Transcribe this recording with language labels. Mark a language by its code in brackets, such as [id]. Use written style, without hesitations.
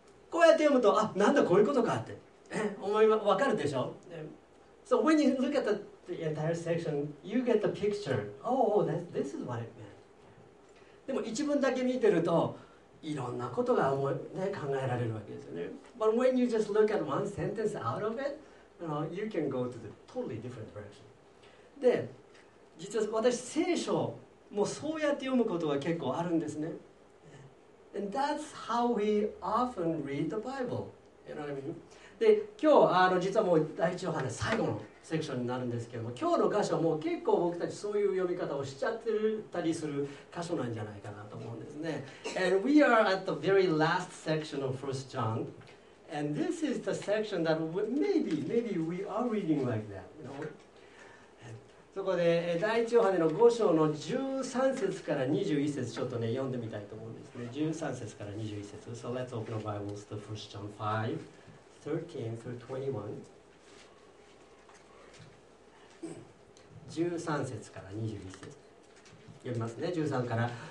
[ja] こうやって読むと、あ、なんだこういうことかって思い、わかるでしょ。 [en] So when you look at the entire section, you get the picture. This is what it meant. [ja] でも一文だけ見てると、いろんなことが思い、ね、考えられるわけですよね。 [en] But when you just look at one sentence out of it, you can go to the totally different direction. [ja] で実は私、聖書もそうやって読むことが結構あるんですね。 [en] And that's how we often read the Bible. You know what I mean? [ja] で、今日、実はもう第一ヨハネ最後のセクションになるんですけども、今日の箇所も結構僕たちそういう読み方をしちゃってたりする箇所なんじゃないかなと思うんですね。 [en] And we are at the very last section of 1 John. And this is the section that maybe we are reading like that, you know? [ja] そこで第1ヨハネの5章の13節から21節ちょっとね読んでみたいと思うんですね。 13節から21節。 [en] So let's open our Bibles to 1 John 5:13-21. [ja] 13節から21節。読みますね。13から。